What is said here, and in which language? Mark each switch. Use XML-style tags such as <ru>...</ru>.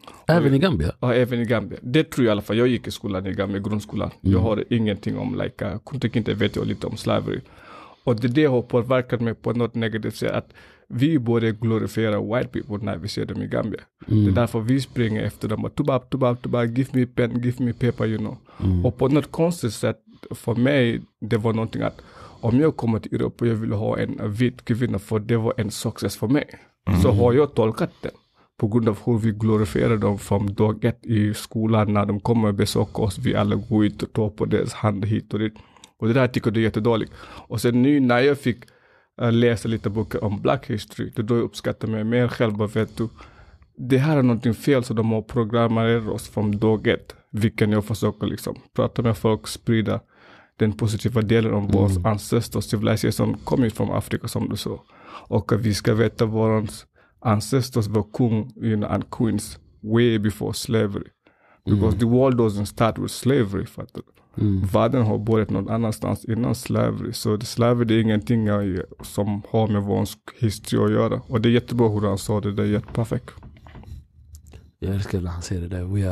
<sv>Även i Gambia? Ja, även i Gambia. Det tror jag i alla fall. Jag gick i skolan i Gambia, grundskolan. Mm. Jag har ingenting om, inte vet jag lite om slavery. Och det har påverkat mig på något negativt sätt. Att vi borde glorifiera</sv> <en>white people</en> <sv>när vi ser dem i Gambia. Mm. Det är därför vi springer efter dem.</sv> <en>Tubab, tubab, tubab, give me pen, give me paper, you know. Mm.</en> <sv>Och på något konstigt sätt, för mig, det var någonting att om jag kommer till Europa och jag vill ha en vit kvinna, för det var en success för mig. Mm. Så har jag tolkat det på grund av hur vi glorifierar dem från dag ett i skolan när de kommer och besöker oss. Vi alla går ut och tar på deras hand hit och dit. Och det där tycker jag är jättedåligt. Och sen nu när jag fick läsa lite böcker om black history, det då jag uppskattar mig mer själv. Vet du, det här är någonting fel, så de har programmerat oss från dag ett. Vilken jag försöker prata med folk, sprida den positiva delen om vår ancestors civilisation kom ju från Afrika, som du sa. Och vi ska veta vår ancestors var kung</sv> <en>and queens way before slavery. Because the world doesn't start with slavery.</en> <sv>Världen har börjat någon annanstans innan slavery. Så slavery är ingenting som har med vår historia att göra. Och det är jättebra hur han sa det. Det är jätteperfekt. Jag älskar när han säger det där.</sv>